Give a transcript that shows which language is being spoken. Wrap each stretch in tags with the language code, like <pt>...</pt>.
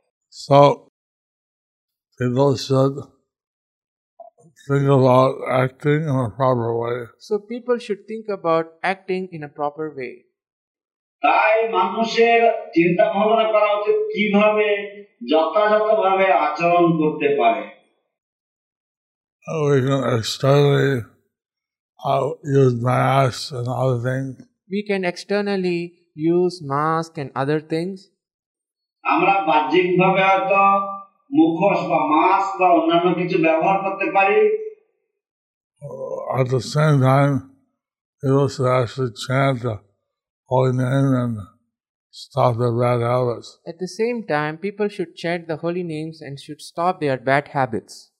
<en>So, people should think about acting in a proper way. So people should think about acting in a proper way.</en> <bn>তাই মানুষের চিন্তা ভাবনা করা উচিত কিভাবে যথাযথভাবে আচরণ করতে পারে।</bn> <en>We can externally use masks and other things. We can externally use mask and other things.</en> <bn>আমরা বাহ্যিকভাবে হয়তো মুখোশ বা মাস্ক বা অন্যান্য কিছু ব্যবহার করতে পারি।</bn> <en>At the same time, it was actually chant the holy name and stop their bad habits. At the same time, people should chant the holy names and should stop their bad habits.</en>